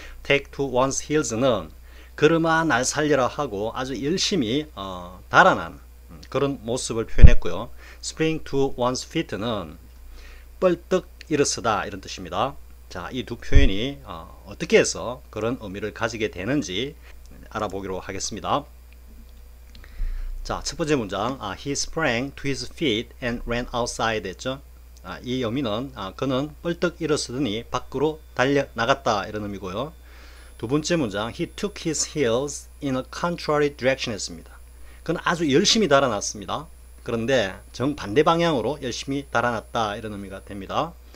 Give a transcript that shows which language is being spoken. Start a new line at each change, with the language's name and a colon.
Korean: Take to one's heels는 그르마 날 살려라 하고 아주 열심히 달아난 그런 모습을 표현했고요. Spring to one's feet는 뻘떡 일어서다 이런 뜻입니다. 자, 이두 표현이 어떻게 해서 그런 의미를 가지게 되는지 알아보기로 하겠습니다. 자, 첫 번째 문장.
English: He sprang to his feet and ran outside
Korean: 했죠. 이 의미는 그는 벌떡 일어서더니 밖으로 달려 나갔다 이런 의미고요. 두 번째 문장,
English: he took his heels in a contrary direction
Korean: 했습니다. 그는 아주 열심히 달아났습니다. 그런데 정반대 방향으로 열심히 달아났다 이런 의미가 됩니다.